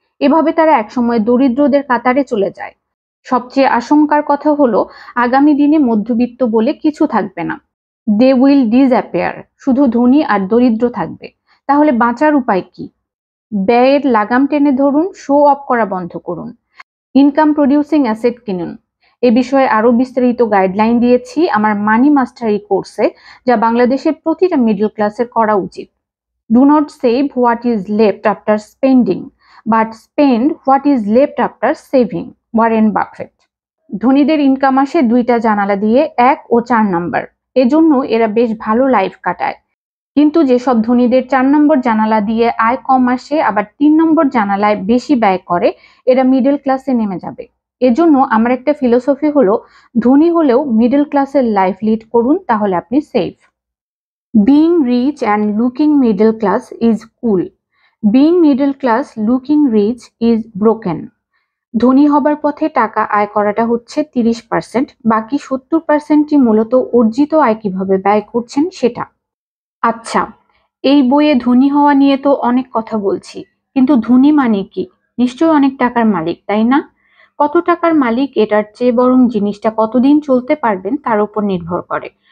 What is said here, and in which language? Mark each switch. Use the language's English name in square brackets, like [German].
[Bangla] এভাবে তারা একসময় দরিদ্রদের কাতারে চলে যায়। সবচেয়ে আশঙ্কার কথা হলো আগামী দিনে মধ্যবিত্ত বলে কিছু থাকবে না, [English] they will disappear, [Bangla] শুধু ধনী আর দরিদ্র থাকবে। তাহলে বাঁচার উপায় কি? ব্যয়ের লাগাম টেনে ধরুন, শো অফ করা বন্ধ করুন, ইনকাম প্রডিউসিং অ্যাসেট কিনুন। এ বিষয়ে আরো বিস্তারিত গাইডলাইন দিয়েছি আমার মানি মাস্টারি কোর্সে, যা বাংলাদেশের প্রতিটা মিডল ক্লাসের করা উচিত। [English] Do not save what is left after spending, but spend what is left after saving. Warren Buffett. [Bangla] ধনীদের ইনকাম আসে দুইটা জানালা দিয়ে, এক ও চার নম্বর, এজন্য এরা বেশ ভালো লাইফ কাটায়। কিন্তু যেসব ধনীদের চার নম্বর জানালা দিয়ে আয় কম আসে, আবার তিন নম্বর জানালায় বেশি ব্যয় করে, এরা মিডল ক্লাসে নেমে যাবে। এজন্য আমার একটা ফিলোসফি হলো, ধনী হলেও মিডল ক্লাসের লাইফ লিড করুন, তাহলে আপনি safe. [English] Being rich and looking middle class is cool. Being middle class looking rich is broken. [Bangla] ধনী হবার পথে টাকা আয় করাটা হচ্ছে 30%, বাকি 70%টি মূলত অর্জিত আয় কিভাবে ব্যয় করছেন সেটা। আচ্ছা, এই বইয়ে ধনী হওয়া নিয়ে তো অনেক কথা বলছি, কিন্তু ধনী মানে কি? নিশ্চয়ই অনেক টাকার মালিক, তাই না? কত টাকার মালিক এটার চেয়ে বরং জিনিসটা কতদিন চলতে পারবেন তার উপর নির্ভর করে।